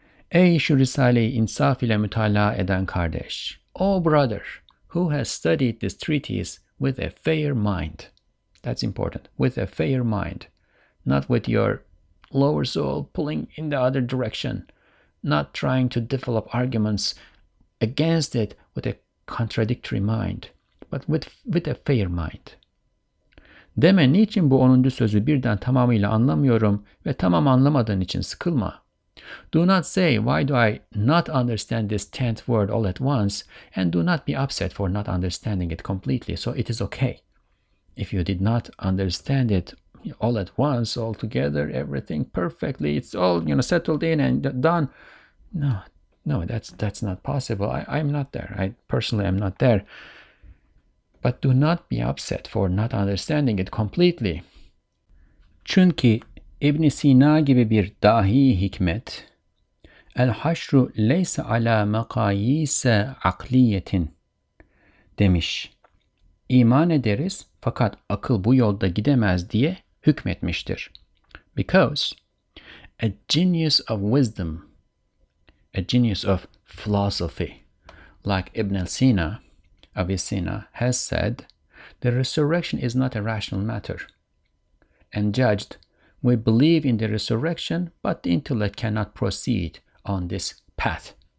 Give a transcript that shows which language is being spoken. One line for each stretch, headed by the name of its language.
Turkish: Ey şu risale-i insaf ile mütala eden kardeş,
English: O brother who has studied this treatise with a fair mind, that's important, with a fair mind, not with your lower soul pulling in the other direction, not trying to develop arguments against it with a contradictory mind, but with a fair mind.
Turkish: Deme, niçin bu 10. sözü birden tamamıyla anlamıyorum ve tamam anlamadığın için sıkılma.
English: Do not say, why do I not understand this 10th word all at once, and do not be upset for not understanding it completely, so it is okay. If you did not understand it all at once, all together, everything perfectly, it's all, you know, settled in and done. No, that's not possible. I'm not there. I personally am not there. But do not be upset for not understanding it completely.
Turkish: Çünkü İbn Sina gibi bir dahi hikmet,
Arabic: el-haşru leysa ala makayise akliyetin
Turkish: demiş. İman ederiz fakat akıl bu yolda gidemez diye hükmetmiştir.
English: Because a genius of wisdom, a genius of philosophy, like Ibn Sina, Avicenna, has said, the resurrection is not a rational matter. And judged, we believe in the resurrection, but the intellect cannot proceed on this path.